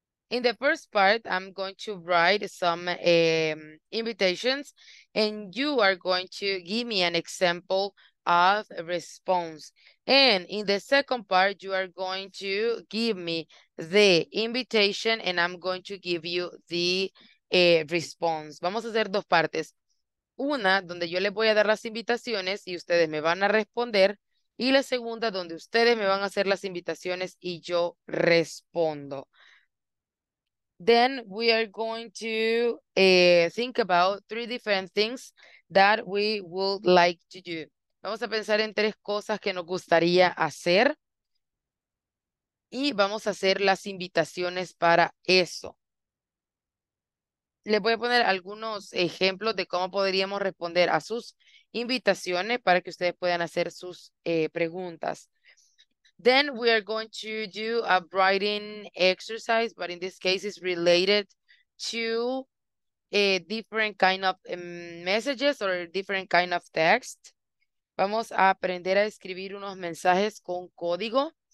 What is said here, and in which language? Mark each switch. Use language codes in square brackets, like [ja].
[en] In the first part, I'm going to write some invitations and you are going to give me an example of a response. And in the second part, you are going to give me the invitation and I'm going to give you the response. [es] Vamos a hacer dos partes. Una, donde yo les voy a dar las invitaciones y ustedes me van a responder. Y la segunda, donde ustedes me van a hacer las invitaciones y yo respondo. [en] Then we are going to think about three different things that we would like to do. [es] Vamos a pensar en tres cosas que nos gustaría hacer. Y vamos a hacer las invitaciones para eso. Les voy a poner algunos ejemplos de cómo podríamos responder a sus invitaciones para que ustedes puedan hacer sus preguntas. [en] Then we are going to do a writing exercise, but in this case it's related to different kind of messages or different kind of text. [es] Vamos a aprender a escribir unos mensajes con código.